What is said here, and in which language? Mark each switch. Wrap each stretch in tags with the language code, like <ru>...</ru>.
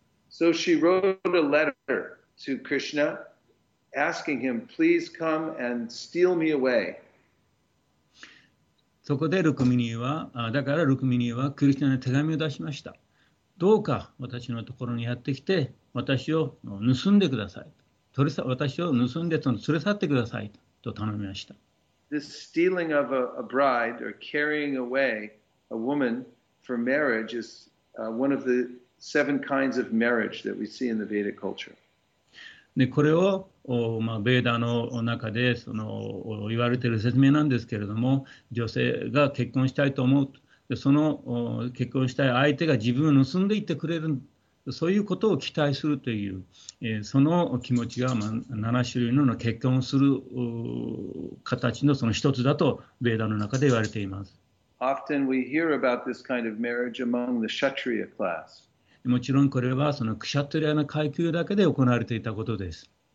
<en>So she wrote a letter to Krishna asking him, please come and steal me away.</en> <ja>そこでルクミニーは、だからルクミニーはクリシナに手紙を出しました。どうか私のところにやってきて、私を盗んでください。私を盗んで連れ去ってくださいと頼みました。</ja> <en>This stealing of a bride or carrying away a woman for marriage is one of the seven kinds of marriage that we see in the Vedic culture.</en> <ja>で、これを、まあ、ベーダーの中でその言われている説明なんですけれども、女性が結婚したいと思う、でその結婚したい相手が自分を盗んでいってくれる、そういうことを期待するという、その気持ちが、まあ、7種類の結婚する形のその一つだとベーダーの中で言われています。</ja> <en>Often we hear about this kind of marriage among the Kshatriya class.</en> <ja>もちろんこれはそのクシャトリアの階級だけで行われていたことです。</ja>